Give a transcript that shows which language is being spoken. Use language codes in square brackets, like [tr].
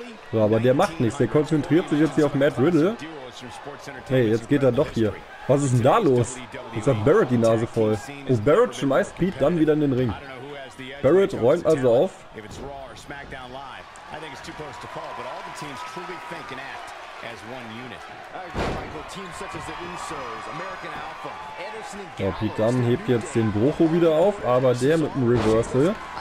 [de] So, aber der macht nichts. Der konzentriert sich jetzt hier auf Matt Riddle. Hey, jetzt geht er doch hier. Was ist denn da los? Jetzt hat Barrett die Nase voll. Oh, Barrett schmeißt Pete dann wieder in den Ring. Barrett räumt also auf. [en] I think it's too close to call, but all the teams truly think and act as one unit. I agree, Michael. Teams such as the Usos, American Alpha, Anderson and Gallows. [de] Pete Dunne hebt jetzt den Brocho wieder auf, aber der mit dem Reversal.